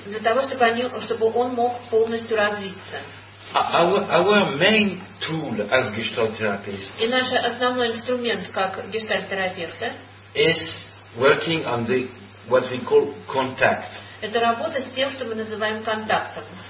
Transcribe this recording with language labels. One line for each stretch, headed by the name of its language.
Russian: Для того чтобы он мог полностью развиться.
English: Our main tool as gestalt therapist.
Russian: И наш основной инструмент как гештальт терапевта.
English: Is working on the what we call contact.
Russian: Это работа с тем, что мы называем контактом.